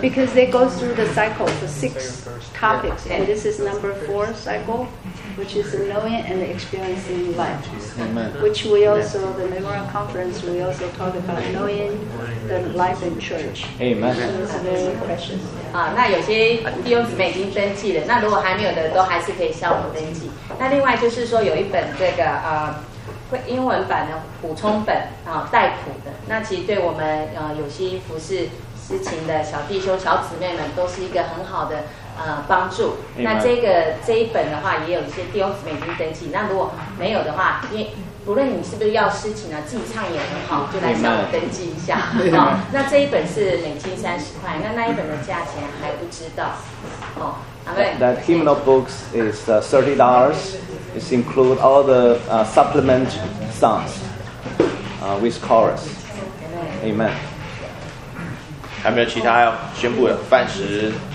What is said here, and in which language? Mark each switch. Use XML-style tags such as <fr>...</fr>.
<en>Because they go through the cycle, the six topics, and this is number four cycle, which is the knowing and the experiencing life. Amen. Which we also, the memorial conference, we also talk about knowing the life in church. Amen. So it's very precious.</en> <zh>那有些弟兄姊妹已经登记了，那如果还没有的，都还是可以向我登记。那另外就是说，有一本这个英文版的补充本啊，带谱的，那其实对我们有些服事事情的小弟兄小姊妹们都是一个很好的帮助。</zh> <en>Amen.</en> <zh>那这一本的话，也有一些弟兄姊妹已经登记，那如果没有的话，因为不论你是不是要事情啊，自己唱也很好，就来向我登记一下。好，那这一本是每斤30块，那一本的价钱还不知道哦。</zh> <en>That hymnal books is $30. It includes all the supplement songs with chorus. Amen.</en> <zh>还没有其他要宣布的饭食。</zh>